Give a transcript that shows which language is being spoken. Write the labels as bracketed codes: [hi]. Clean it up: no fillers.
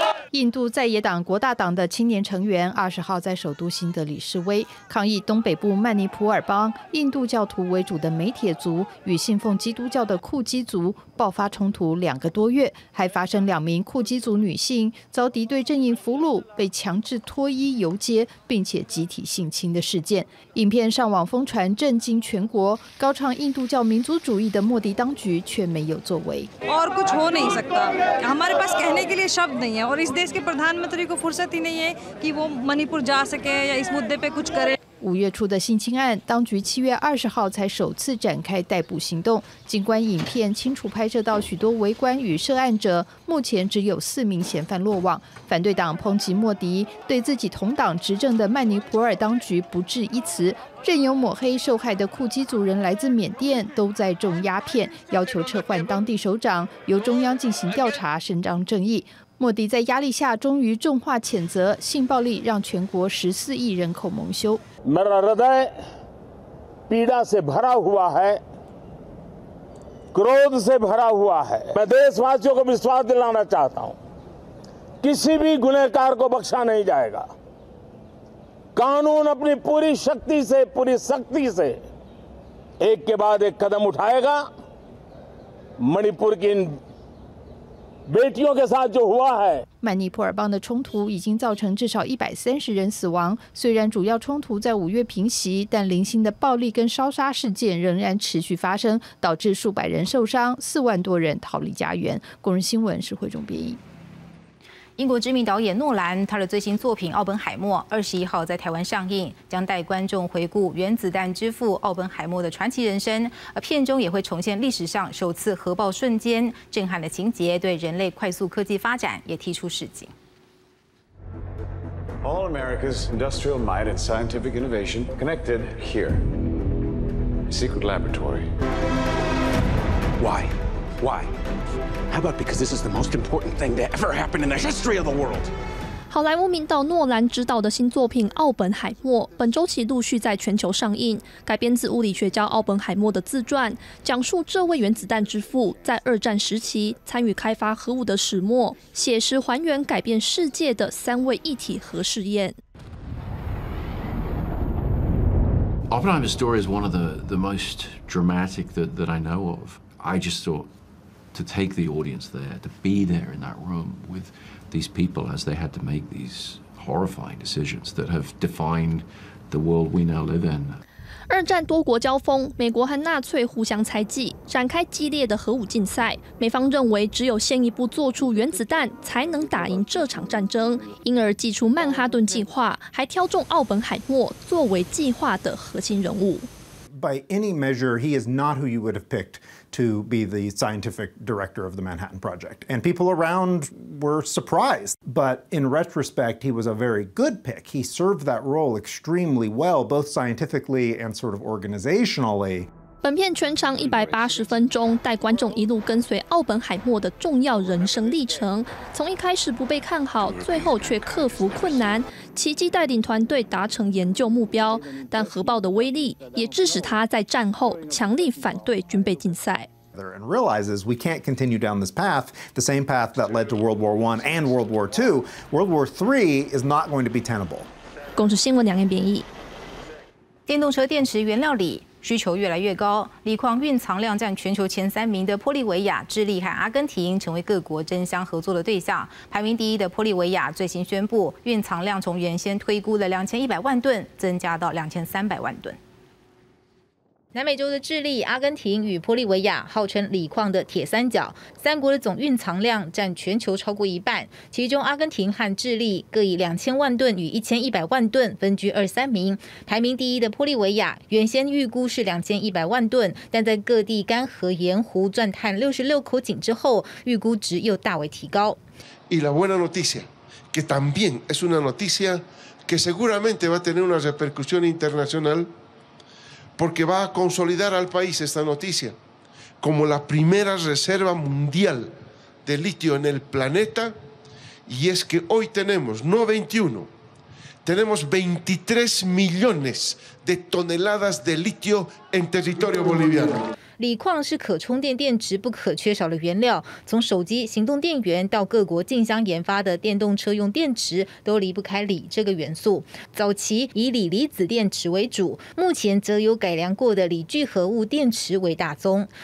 [zh] 印度在野党国大党的青年成员二十号在首都新德里示威，抗议东北部曼尼普尔邦印度教徒为主的梅铁族与信奉基督教的库基族爆发冲突两个多月，还发生两名库基族女性遭敌对阵营俘虏，被强制脱衣游街，并且集体性侵的事件。影片上网疯传，震惊全国。高唱印度教民族主义的莫迪当局却没有作为。 [hi] और कुछ हो नहीं सकता, हमारे पास कहने के लिए शब्द नहीं है, और इस देश के प्रधानमंत्री को फुर्सत ही नहीं है कि वो मणिपुर जा सके या इस मुद्दे पे कुछ करे。 [zh] 五月初的性侵案，当局七月二十号才首次展开逮捕行动。尽管影片清楚拍摄到许多围观与涉案者，目前只有4名嫌犯落网。反对党抨击莫迪对自己同党执政的曼尼普尔当局不智一词，任由抹黑受害的库基族人来自缅甸，都在种鸦片，要求撤换当地首长，由中央进行调查，伸张正义。莫迪在压力下终于重话谴责性暴力，让全国14亿人口蒙羞。 [hi] मेरा हृदय पीड़ा से भरा हुआ है, क्रोध से भरा हुआ है। मैं देशवासियों को विश्वास दिलाना चाहता हूं, किसी भी गुनहगार को बख्शा नहीं जाएगा। कानून अपनी पूरी शक्ति से, पूरी शक्ति से एक के बाद एक कदम उठाएगा। मणिपुर की इन बेटियों के साथ जो हुआ है, [zh] 曼尼普尔邦的冲突已经造成至少130人死亡。虽然主要冲突在五月平息，但零星的暴力跟烧杀事件仍然持续发生，导致数百人受伤，4万多人逃离家园。工人新闻是汇总编译。英国知名导演诺兰，他的最新作品《奥本海默》21号在台湾上映，将带观众回顾原子弹之父奥本海默的传奇人生。而片中也会重现历史上首次核爆瞬间震撼的情节，对人类快速科技发展也提出示警。 [en] All America's industrial might and scientific innovation connected here. Secret laboratory. Why? Why? How about because this is the most important thing that ever happened in the history of the world? [zh] 好莱坞名导诺兰执导的新作品《奥本海默》本周起陆续在全球上映，改编自物理学家奥本海默的自传，讲述这位原子弹之父在二战时期参与开发核武的始末，写实还原改变世界的三位一体核试验。 [en] Oppenheimer's story is one of the most dramatic that I know of. I just thought. To take the audience there, to be there in that room with these people as they had to make these horrifying decisions that have defined the world we now live in. [zh] 二战多国交锋，美国和纳粹互相猜忌，展开激烈的核武竞赛。美方认为只有先一步做出原子弹，才能打赢这场战争，因而祭出曼哈顿计划，还挑中奥本海默作为计划的核心人物。 [en] By any measure, he is not who you would have picked. To be the scientific director of the Manhattan Project. And people around were surprised. But in retrospect, he was a very good pick. He served that role extremely well, both scientifically and sort of organizationally. [zh] 本片全长180分钟，带观众一路跟随奥本海默的重要人生历程，从一开始不被看好，最后却克服困难，奇迹带领团队达成研究目标。但核爆的威力也致使他在战后强力反对军备竞赛。 [en] And realizes we can't continue down this path, the same path that led to World War I and World War II. World War III is not going to be tenable. [zh] 共识新闻两言编译。电动车电池原料锂。需求越来越高，锂矿蕴藏量占全球前三名的玻利维亚、智利和阿根廷成为各国争相合作的对象。排名第一的玻利维亚最新宣布，蕴藏量从原先推估的2100万吨增加到2300万吨。南美洲的智利、阿根廷与玻利维亚号称锂矿的铁三角，三国的总蕴藏量占全球超过一半，其中阿根廷和智利各以2000万吨与1100万吨分居二三名。排名第一的玻利维亚原先预估是2100万吨，但在各地干涸盐湖钻探66口井之后，预估值又大为提高。 [es] Y la buena noticia, que también es una noticia que seguramente va a tener una repercusión internacional. Porque va a consolidar al país esta noticia como la primera reserva mundial de litio en el planeta. Y es que hoy tenemos, no 21, tenemos 23 millones de toneladas de litio en territorio boliviano. [zh] 锂矿是可充电电池不可缺少的原料，从手机、行动电源到各国竞相研发的电动车用电池，都离不开锂这个元素。早期以锂离子电池为主，目前则有改良过的锂聚合物电池为大宗。